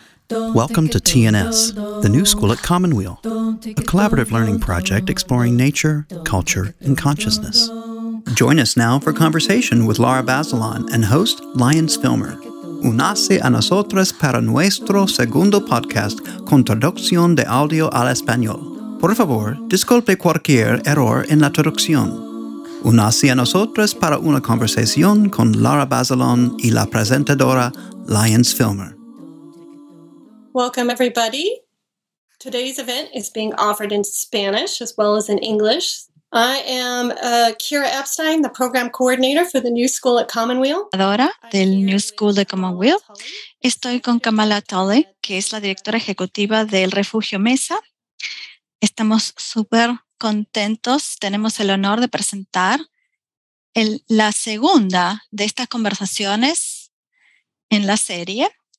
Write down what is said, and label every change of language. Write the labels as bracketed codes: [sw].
[en] Welcome to TNS, the new school at Commonweal, a collaborative learning project exploring nature, culture, and consciousness. Join us now for conversation with Laura Bazelon and host Lyons Filmer. [es] Únase a nosotros para nuestro segundo podcast con traducción de audio al español. Por favor, disculpe cualquier error en la traducción. Únase a nosotros para una conversación con Laura Bazelon y la presentadora Lyons Filmer. [en] Welcome, everybody. Today's event is being offered in Spanish as well as in English. I am Kira Epstein, the program coordinator for the New School at Commonweal. [es] Ahora del New School de Commonweal. Estoy con Kamala Tolle, que es la directora ejecutiva del Refugio Mesa. Estamos súper contentos. Tenemos el honor de presentar la segunda de estas conversaciones en la serie.